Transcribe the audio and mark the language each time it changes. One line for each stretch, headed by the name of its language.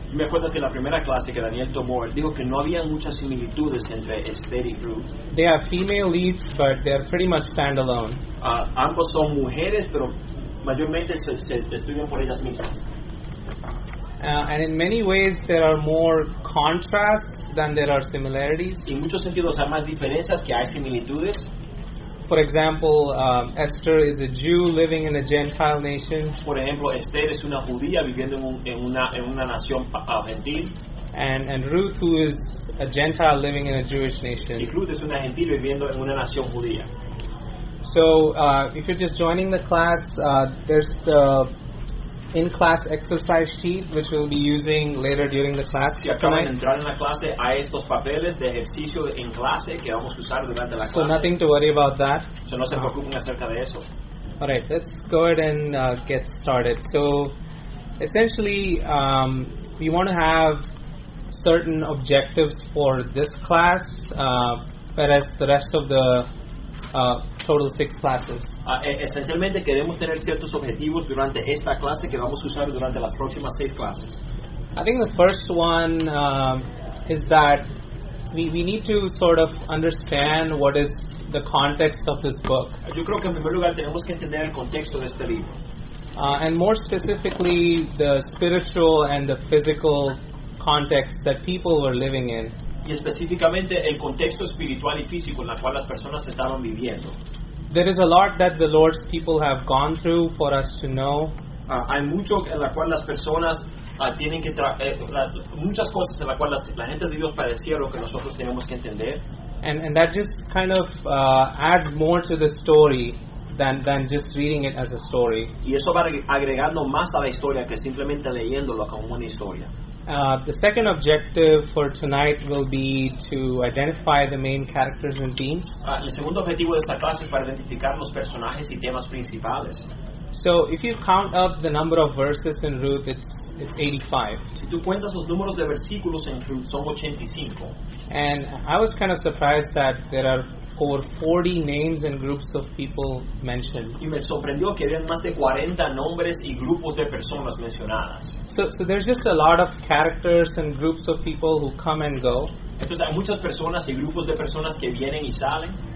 Spanish: Me acuerdo que la primera clase que Daniel tomó, él dijo que no había muchas similitudes entre Esther y Ruth.
English: They are female leads, but they are pretty much standalone.
Spanish: Ambos son mujeres, pero mayormente se estudian por ellas mismas.
English: And in many ways, there are more contrasts than there are similarities.
Spanish: Y en muchos sentidos hay más diferencias que hay similitudes.
English: For example, Esther is a Jew living in a Gentile nation.
Spanish: Por ejemplo, Esther es una judía viviendo en una nación gentil.
English: And Ruth, who is a Gentile living in a Jewish nation.
Spanish: Y Ruth es una gentil viviendo en una nación judía.
English: So, if you're just joining the class, there's the in-class exercise sheet which we'll be using later during the class.
Spanish: Si acaban de entrar en la clase, hay estos papeles de ejercicio en clase que vamos a usar durante la clase.
English: So nothing to worry about that.
Spanish: So no se preocupen acerca de eso.
English: All right, let's go ahead and get started. So essentially, we want to have certain objectives for this class, whereas the rest of the total 6 classes.
Spanish: Esencialmente queremos tener ciertos objetivos durante esta clase que vamos a usar durante las próximas 6 clases.
English: I think the first one is that we need to sort of understand what is the context of this book.
Spanish: Yo creo que en primer lugar tenemos que entender el contexto de este libro.
English: And more specifically the spiritual and the physical context that people were living in.
Spanish: Y específicamente el contexto espiritual y físico en el cual las personas estaban viviendo.
English: There is a lot that the Lord's people have gone through for us to know.
Spanish: Hay mucho en la cual las personas tienen que muchas cosas en la cual la gente de Dios padecieron que nosotros tenemos que entender.
English: And that just kind of adds more to the story than just reading it as a story.
Spanish: Y eso va agregando más a la historia que simplemente leyéndolo como una historia.
English: The second objective for tonight will be to identify the main characters and themes.
Spanish: El segundo objetivo de esta clase es para identificar los personajes y temas principales.
English: So if you count up the number of verses in Ruth, it's 85.
Spanish: Si tú cuentas los números de versículos en Ruth, son 85.
English: And I was kind of surprised that there are over 40 names and groups of people mentioned.
Spanish: Y me sorprendió que había más de 40 nombres y grupos de personas mencionadas.
English: So there's just a lot of characters and groups of people who come and go.
Spanish: Entonces hay muchas personas y grupos de personas que vienen y salen.